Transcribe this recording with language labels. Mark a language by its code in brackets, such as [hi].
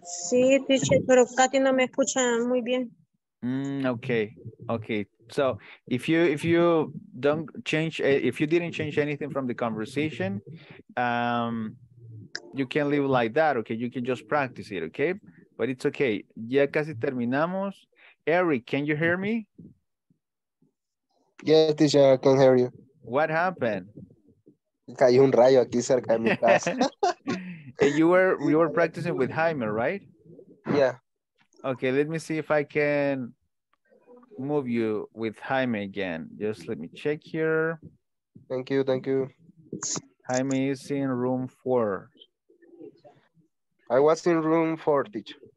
[es] Sí, teacher, pero Katy no me escucha muy bien. [en] Okay. So if you don't change, if you didn't change anything from the conversation, you can leave like that, okay? You can just practice it, okay? But it's okay. [es] Ya casi terminamos. [en] Eric, can you hear me? Yes, teacher, I can hear you. What happened? [es] Cayó un rayo aquí cerca de mi casa. [en] You were practicing with Jaime, right? Yeah. Okay, let me see if I can move you with Jaime again. Just let me check here. Thank you. Jaime is in room 4. I was in room 4, teacher.